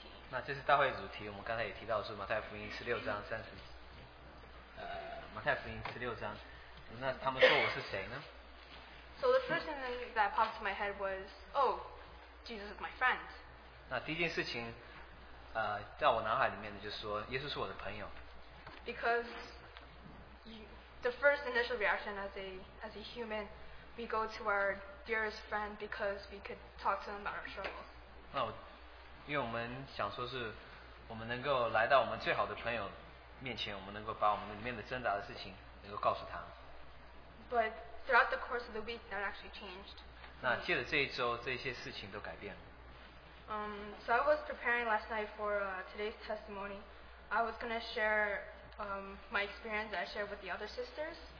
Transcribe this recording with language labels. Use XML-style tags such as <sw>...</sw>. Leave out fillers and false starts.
<zh>那这次大会主题，我们刚才也提到是马太福音十六章三十，马太福音十六章，那他们说我是谁呢？</zh> <en>So the first thing that popped to my head was, oh, Jesus is my friend.</en> <zh>那第一件事情，在我脑海里面的就是说，耶稣是我的朋友。</zh> <en>Because you, the first initial reaction as a human, we go to our dearest friend because we could talk to them about our struggles.</en> <zh>因为我们想说是我们能够来到我们最好的朋友面前，我们能够把我们里面的挣扎的事情能够告诉他。</zh> <en>But throughout the course of the week, that actually changed.</en> <zh>那借着这一周，这些事情都改变了。</zh> <en>So I was preparing last night for today's testimony. I was going to share my experience that I shared with the other sisters.</en>